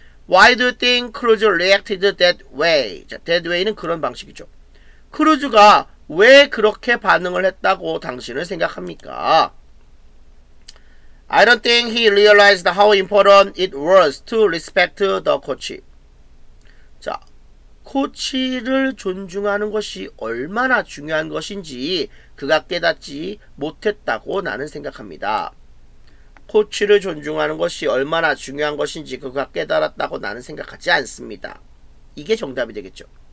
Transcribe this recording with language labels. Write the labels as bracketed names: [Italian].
[English] Why do you think Cruz reacted that way? [Korean] 자, that way는 그런 방식이죠. 크루즈가 왜 그렇게 반응을 했다고 당신은 생각합니까? [English] I don't think he realized how important it was to respect the coach. [Korean] 자, 코치를 존중하는 것이 얼마나 중요한 것인지 그가 깨닫지 못했다고 나는 생각합니다. 코치를 존중하는 것이 얼마나 중요한 것인지 그가 깨달았다고 나는 생각하지 않습니다. 이게 정답이 되겠죠.